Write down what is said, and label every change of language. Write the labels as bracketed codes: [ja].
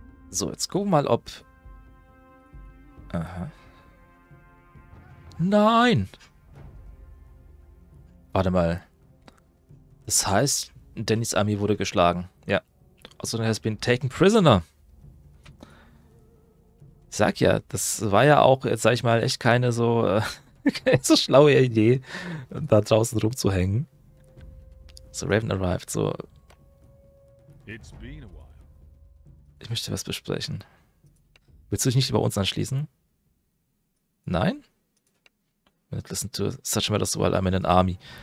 [de] So, jetzt gucken wir mal, ob. Aha. Nein! Warte mal. Das heißt, Dennis Armee wurde geschlagen. Ja. Also, er [en] has been taken prisoner. [de] Sag ja, das war ja auch, jetzt sag ich mal, echt keine so, so schlaue Idee, da draußen rumzuhängen. [en] So, Raven arrived, so. It's been a while. [de] Ich möchte was besprechen. Willst du dich nicht bei uns anschließen? Nein? [en] Listen to such a matter as well, I'm in an army.